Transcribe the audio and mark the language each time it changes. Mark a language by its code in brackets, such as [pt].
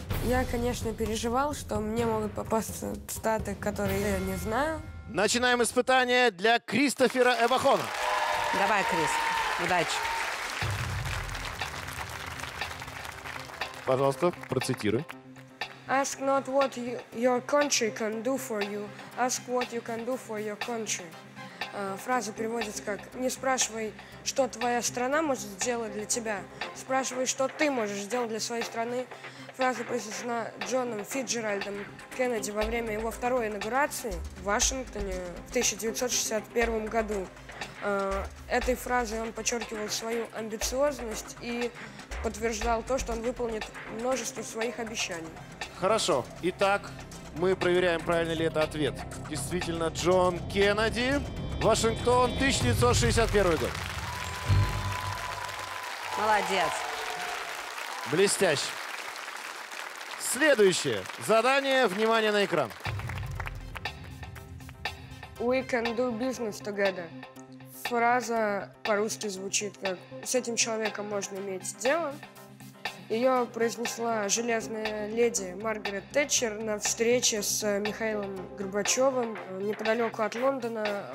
[ru] Я, конечно, переживал, что мне могут попасться цитаты, которые я не знаю. Начинаем испытание для Кристофера Эбахона. Давай, Крис. Удачи. Пожалуйста, процитируй. [en] Ask not what your country can do for you, ask what you can do for your country. [ru] Фраза переводится как «Не спрашивай, что твоя страна может сделать для тебя, спрашивай, что ты можешь сделать для своей страны». Фраза произнесена Джоном Фицджеральдом Кеннеди во время его второй инаугурации в Вашингтоне в 1961 году. Этой фразой он подчеркивал свою амбициозность и подтверждал то, что он выполнит множество своих обещаний. Хорошо. Итак, мы проверяем, правильно ли это ответ. Действительно, Джон Кеннеди, Вашингтон, 1961 год. Молодец. Блестяще. Следующее задание. Внимание на экран. [en] We can do business together. [ru] Фраза по-русски звучит как «С этим человеком можно иметь дело». Ее произнесла железная леди Маргарет Тэтчер на встрече с Михаилом Горбачевым неподалеку от Лондона.